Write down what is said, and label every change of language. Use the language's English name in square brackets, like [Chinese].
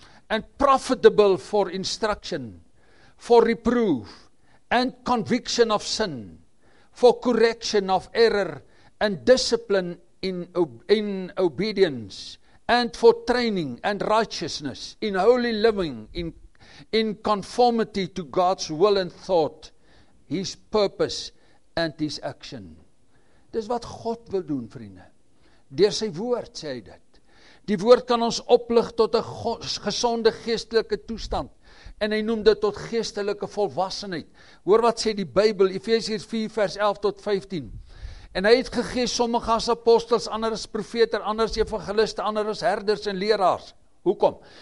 [English] and profitable for instruction, for reproof, and conviction of sin, for correction of error, and discipline in obedience, and for training and righteousness, in holy living, in conformity to God's will and thought, his purpose and his action. [Afrikaans] Dis wat God wil doen, vriende. Deur sy woord sê hy dit. Die woord kan ons oplig tot 'n gesonde geestelike toestand. En hy noem dit tot geestelike volwassenheid. Hoor wat sê die Bybel, Efesiërs 4 vers 11 tot 15. En hy het gegee sommige as apostels, ander as profete, ander as evangeliste, ander as herders en leraars. Hoekom?